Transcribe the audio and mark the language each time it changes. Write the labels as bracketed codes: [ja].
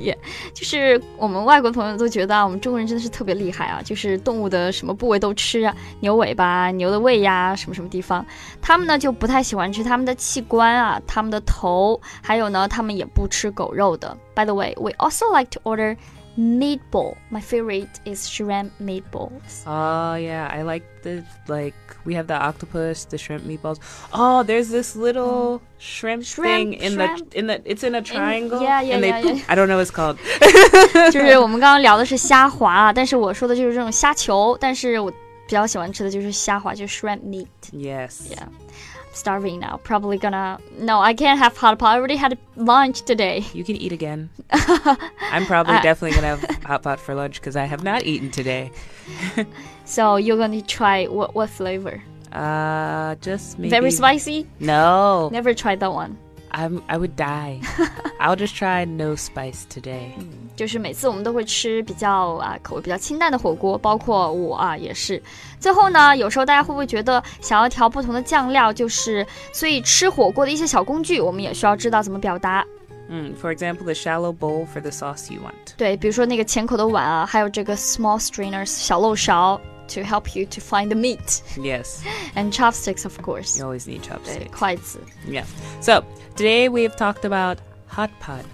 [zh] Yeah, 就是我们外国朋友都觉得我们中国人真的是特别厉害啊，就是动物的什么部位都吃啊，牛尾巴、牛的胃呀、什么什么地方，他们呢就不太喜欢吃他们的器官啊，他们的头，还有呢，他们也不吃狗肉的。 [en] By the way, we also like to order meatball. My favorite is shrimp meatballs. Oh, yeah, I like the, like, we have the octopus, the shrimp meatballs. Oh, there's this little shrimp thing in the, it's in a triangle. Yeah, I don't know what it's called. [zh] 就是我们刚刚聊的是虾滑，但是我说的就是这种虾球，但是我比较喜欢吃的就是虾滑，就是 shrimp meat. [en] Yes. Yeah. Starving now. Probably gonna. No, I can't have hot pot. I already had lunch today. You can eat again. I'm probably definitely gonna have hot pot for lunch because I have not eaten today. So you're gonna try what flavor? Just maybe. Very spicy? No. Never tried that one. I would die. I'll just try no spice today. [zh] 就是每次我们都会吃比较口味比较清淡的火锅，包括我也是。最后呢，有时候大家会不会觉得想要调不同的酱料，就是所以吃火锅的一些小工具，我们也需要知道怎么表达。 [en] For example, the shallow bowl for the sauce you want. [zh] 对，比如说那个浅口的碗啊，还有这个 small strainers 小漏勺。 [en] To help you to find the meat. Yes. And chopsticks, of course. You always need chopsticks. [zh] 对，筷子。 [en] Yeah. So, today we have talked about hot pot.